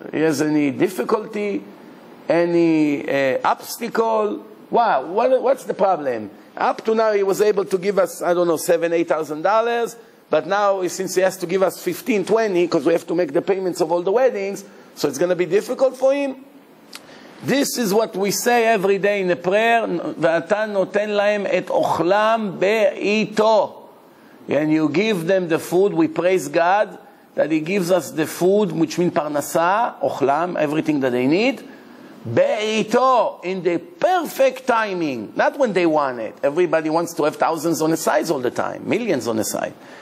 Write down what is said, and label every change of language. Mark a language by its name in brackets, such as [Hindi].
[English] He has any difficulty, any obstacle? Wow, what's the problem? Up to now he was able to give us, I don't know, $7,000-$8,000, but now since he has to give us $15,000-$20,000, because we have to make the payments of all the weddings, so it's going to be difficult for him. This is what we say every day in the prayer, [Hebrew] ואתה נותן להם את אוכלם בעיתו. [English] And you give them the food, we praise God, that he gives us the food, which means parnasa, ochlam, everything that they need, be'ito, in the perfect timing, not when they want it. Everybody wants to have thousands on the sides all the time, millions on the side.